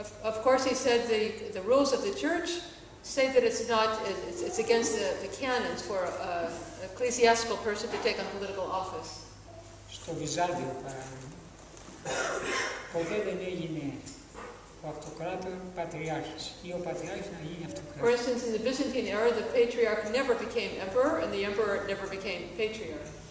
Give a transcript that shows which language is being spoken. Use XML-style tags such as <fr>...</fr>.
<en>Of course, he said the rules of the church say that it's against the canons for an ecclesiastical person to take on political office.</en> <el>Στο Βυζάντιο, ποτέ δεν έγινε ο αυτοκράτορ πατριάρχης ή ο πατριάρχης να γίνει αυτοκράτορ.</el> <en>For instance, in the Byzantine era, the patriarch never became emperor, and the emperor never became patriarch.</en>